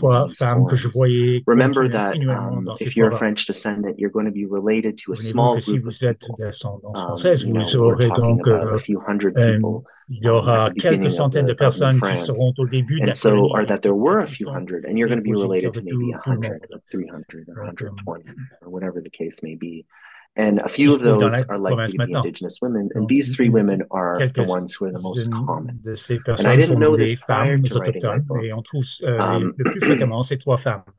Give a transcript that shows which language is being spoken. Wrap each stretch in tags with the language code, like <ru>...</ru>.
<en>Remember that if you're a French descendant, you're going to be related to a small group of people. We're talking about a few hundred people.</en> <fr>Il y aura quelques centaines de personnes qui seront au début de la colonie.</fr> <en>Or that there were a few hundred, and you're going to be related to maybe 100, 300, 120, or whatever the case may be. And a few of those are likely to be Indigenous women. And these three women are the ones who are the most common. And I didn't know this prior to writing my book.</en>